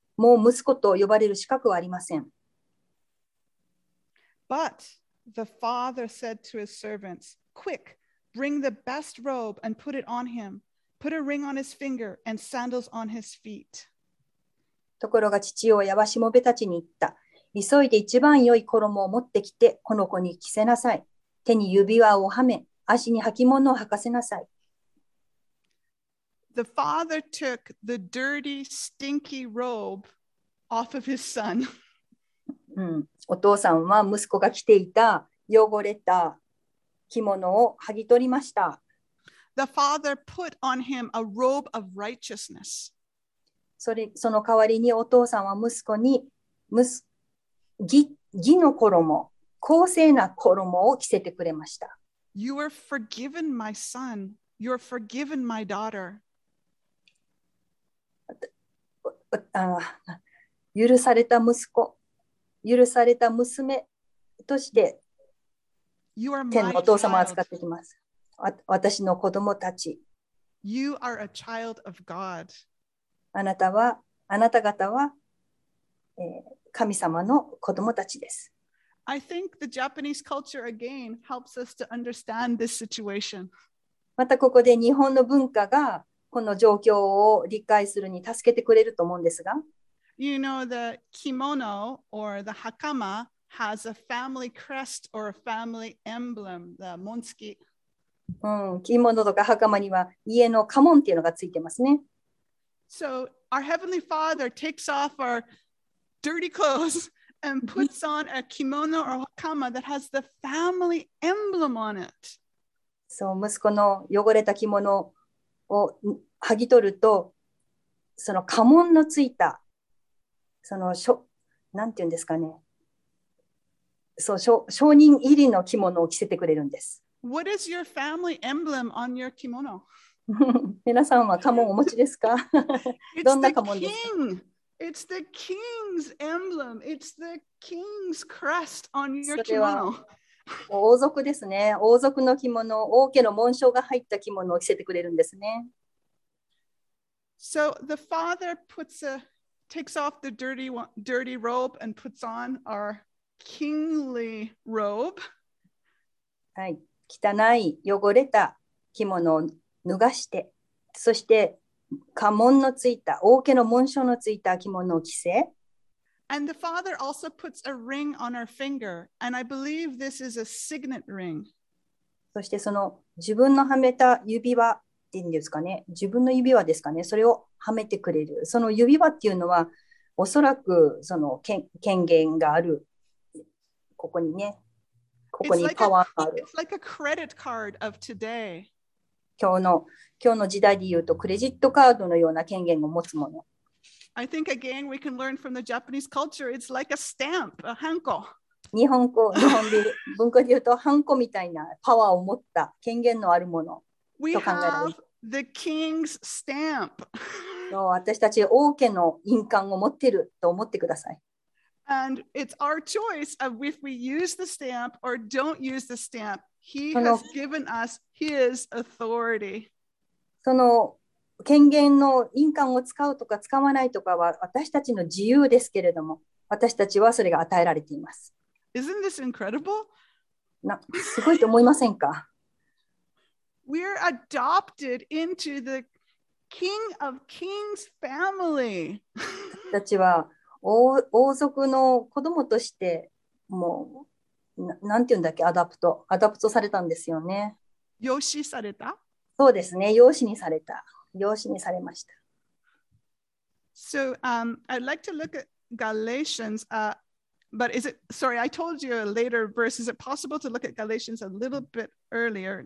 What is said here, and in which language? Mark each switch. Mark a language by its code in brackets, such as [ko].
[ja] もう息子と呼ばれる資格はありません。 [en] But the father said to his servants, Quick, bring the best robe and put it on him. Put a ring on his finger and sandals on his feet. [ja] ところが父親はしもべたちに言った。急いで一番良い衣を持ってきて、この子に着せなさい。手に指輪をはめ、足に履物を履かせなさい。 [en] The father took the dirty, stinky robe off of his son. [ja] お父さんは息子が着ていた汚れた着物を剥ぎ取りました。 [en] The father put on him a robe of righteousness. [ja] その代わりにお父さんは息子に義の衣、公正な衣を着せてくれました。 [en] You are forgiven, my son. You are forgiven, my daughter. [ja] 許された息子、許された娘として天のお父様を扱ってきます。私の子供たち、 [en] you are a child of God. [ja] あなた方は、神様の子供たちです。 [en] I think the Japanese culture again helps us to understand this situation. [ja] またここで日本の文化がこの状況を理解するに助けてくれると思うんですが、 [en] You know, the kimono or the hakama has a family crest or a family emblem, the monsuki. [ja] 着物とか袴には家の家紋っていうのがついてますね。 [en] So our heavenly father takes off our dirty clothes and puts on a kimono or hakama that has the family emblem on it. [ja] そう、息子の汚れた着物を剥ぎ取ると、その家紋のついた、そのしょ、なんていうんですかね、そう、証人入りの着物を着せてくれるんです。 [en] What is your family emblem on your kimono? [ja] 皆さんは家紋お持ちですか？どんな家紋ですか？ [en] It's the king's emblem. It's the king's crest on your kimono. [ja] 王族ですね。王族の着物、王家の紋章が入った着物を着せてくれるんですね。 [en] So the father takes off the dirty robe and puts on our kingly robe. [ja] はい。汚い汚れた着物を脱がして、そして家紋のついた、王家の紋章のついた着物を着せ。 [en] And the Father also puts a ring on our finger, and I believe this is a signet ring. [ja] そしてその自分のはめた指輪っていうんですかね、自分の指輪ですかね、それをはめてくれる。その指輪っていうのは、おそらくその権限がある。ここにね、ここにパワーがある。 [en] It's like a credit card of today. [ja] 今日の時代で言うと、クレジットカードのような権限を持つもの。 [en] I think again we can learn from the Japanese culture, it's like a stamp, a hanko. [ja] 日本で文化で言うと、ハンコみたいなパワーを持った権限のあるものと考えられる。 [en] We have the king's stamp. [ja] 私たち王家の印鑑を持っていると思ってください。 [en] And it's our choice of if we use the stamp or don't use the stamp. He has given us his authority. [ja] その権限の印鑑を使うとか使わないとかは私たちの自由ですけれども、私たちはそれが与えられています。 [en] Isn't this incredible? [ja] すごいと思いませんか? [en] We're adopted into the King of Kings family. [ja] 私たちは王族の子供としてもう何て言うんだっけ、アダプトされたんですよね。養子された？そうですね、養子にされた。養子にされました。 [en] So, I'd like to look at Galatians, but is it, sorry, I told you a later verse. Is it possible to look at Galatians a little bit earlier?